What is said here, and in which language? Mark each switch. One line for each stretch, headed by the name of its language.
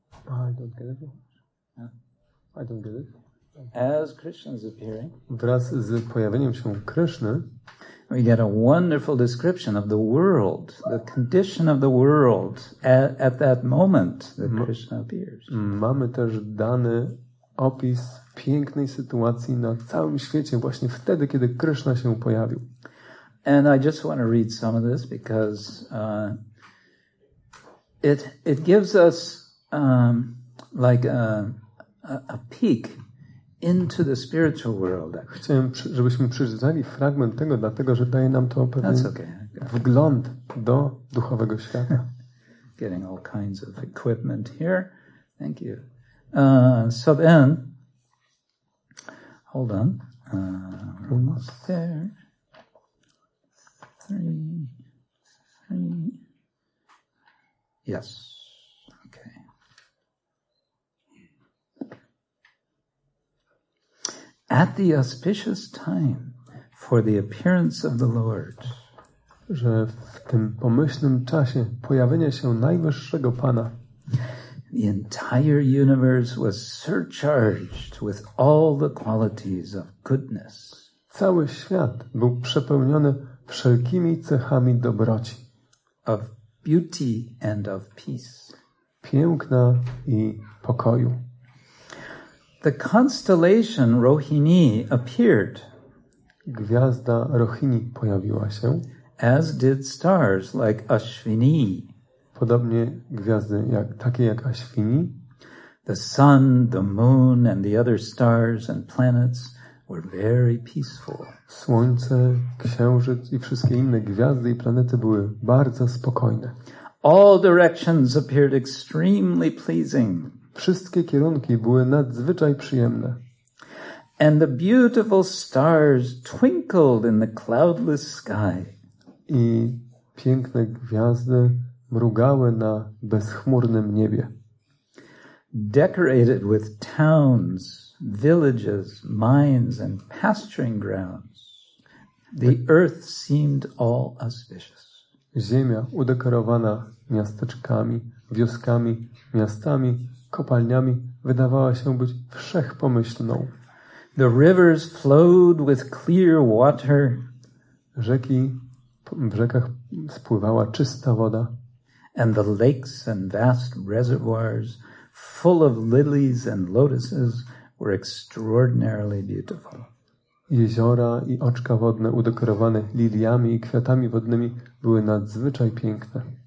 English: I don't get it. As Krishna is appearing,
Polish: wraz z pojawieniem się Krishny,
English: we get a wonderful description of the world, the condition of the world at that moment that Krishna appears.
Polish: Mamy też dany opis pięknej sytuacji na całym świecie właśnie wtedy, kiedy Krishna się pojawił.
English: And I just want to read some of this because it gives us like a peek into the spiritual world.
Polish: Chciałem, żebyśmy przeczytali fragment tego, dlatego że daje nam to pewien wgląd do duchowego świata.
English: Getting all kinds of equipment here. Thank you. So then, hold on. Almost there. Three. Yes. At the auspicious time for the appearance of the Lord.
Polish: Że w tym pomyślnym czasie pojawienia się Najwyższego Pana.
English: The entire universe was surcharged with all the qualities of goodness.
Polish: Cały świat był przepełniony wszelkimi cechami dobroci.
English: Of beauty and of peace.
Polish: Piękna i pokoju.
English: The constellation Rohini appeared.
Polish: Gwiazda Rohini pojawiła się.
English: As did stars like Ashwini.
Polish: Podobnie gwiazdy jak takie jak Ashwini.
English: The sun, the moon and the other stars and planets were very peaceful.
Polish: Słońce, księżyc i wszystkie inne gwiazdy i planety były bardzo spokojne.
English: All directions appeared extremely pleasing.
Polish: Wszystkie kierunki były nadzwyczaj przyjemne.
English: And the beautiful stars twinkled in the cloudless sky.
Polish: I piękne gwiazdy mrugały na bezchmurnym niebie.
English: Decorated with towns, villages, mines and pasturing grounds. The earth seemed all auspicious.
Polish: Ziemia udekorowana miasteczkami, wioskami, miastami, kopalniami wydawała się być wszechpomyślną.
English: The rivers flowed with clear water.
Polish: Rzeki, w rzekach spływała czysta woda.
English: And the lakes and vast reservoirs full of lilies and lotuses were extraordinarily beautiful.
Polish: Jeziora i oczka wodne udekorowane liliami i kwiatami wodnymi były nadzwyczaj piękne.